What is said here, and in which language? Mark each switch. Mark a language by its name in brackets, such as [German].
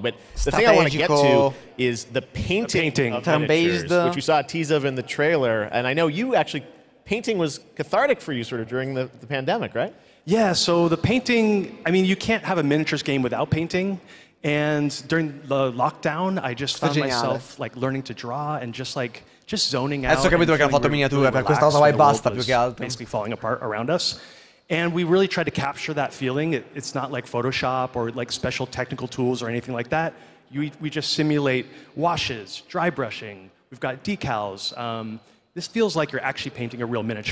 [English] But the thing I want to get to is the painting of miniatures, which we saw a tease of in the trailer, and I know you actually, painting was cathartic for you sort of during the pandemic, right? Yeah, so the painting, I mean, you can't have a miniatures game without painting, and during the lockdown, I just found myself like learning to draw and just like, just zoning out. [Italian] Adesso capito che ha fatto miniature per questa cosa, vai basta più che altro. [English] Basically falling apart around us, and we really tried to capture that feeling. It's not like Photoshop or like special technical tools or anything like that. We just simulate washes, dry brushing. We've got decals. This feels like you're actually painting a real miniature.